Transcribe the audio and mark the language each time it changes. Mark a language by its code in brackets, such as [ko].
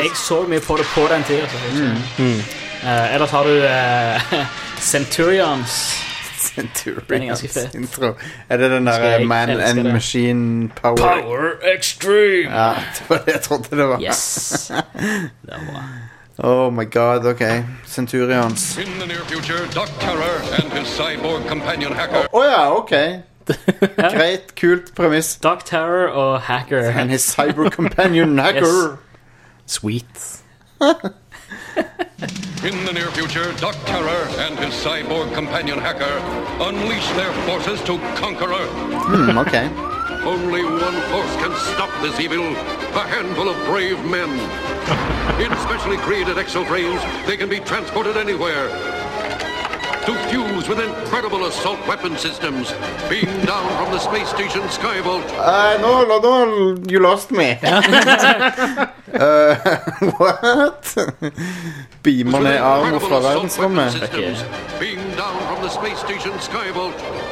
[no] Jeg så mye på det på den tiden. Ellers har du Centurions. Centurions er intro. Er det den der [en] Man and Machine Power? Power Extreme! [no] Ja, det var det jeg trodde det var. [en] Yes! [no] Det var bra. [en] Oh my god, okay. Centurions. In the near future, Doc Terror and his cyborg companion Hacker. Oh, oh yeah, okay. Great, [no] kult premiss. [en] Doc Terror or Hacker? And his cyborg companion Hacker. Sweet. In the near future, Doc Terror and his cyborg companion Hacker unleash their forces to conquer Earth. Hmm, okay. Only one force can stop this evil, a handful of brave men. In specially created exo-frames, they can be transported anywhere. To fuse with incredible assault weapon systems, beam down from the space station Sky Vault. No, you lost me. what? [no] Beamer ned arm og fra verdensrommet. [en] Beam down from the space station Sky Vault.